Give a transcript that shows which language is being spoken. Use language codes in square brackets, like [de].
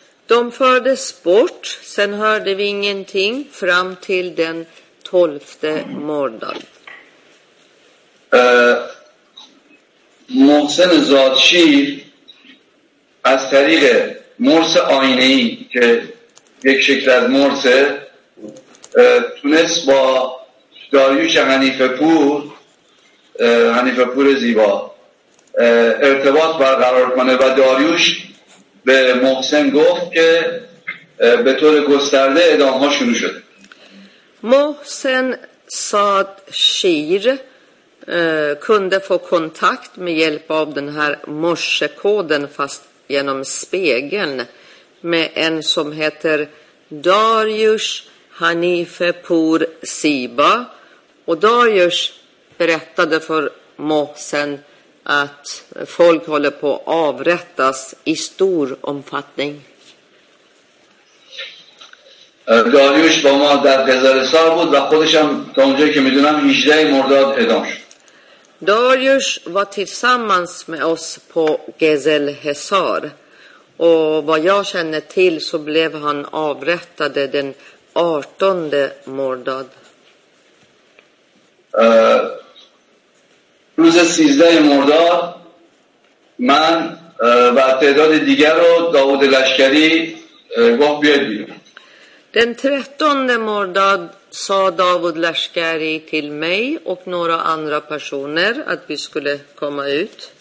[sv] De fördes bort, sen hörde vi ingenting fram till den 12:e mördaren. [fa] محسن زادشیر از طریق مرس آینه‌ای که یک شکل از مرس تونست با داریوش حنیفه‌پور زیبا ارتباط برقرار کنه و داریوش به محسن گفت که به طور گسترده اعدام ها شروع شده. [sv] محسن زادشیر kunde få kontakt med hjälp av den här morsekoden fast genom spegeln med en som heter Darius Hanifepur Siba, och Darius berättade för Mohsen att folk håller på att avrättas i stor omfattning. Darius var med där Gazalesar bod och [fa] خودشم تا اونجایی که میدونم 18 مرداد اعدام شد. [sv] Darius var tillsammans med oss på Gezel Hesar och vad jag känner till så blev han avrättad den 18:e mordad. [fa] روز 13 مرداد من و تعداد دیگر رو داود لشکری گفت بیاید. [sv] Den 13:e mordad sa David Lashkari till mig och några andra personer att vi skulle komma ut.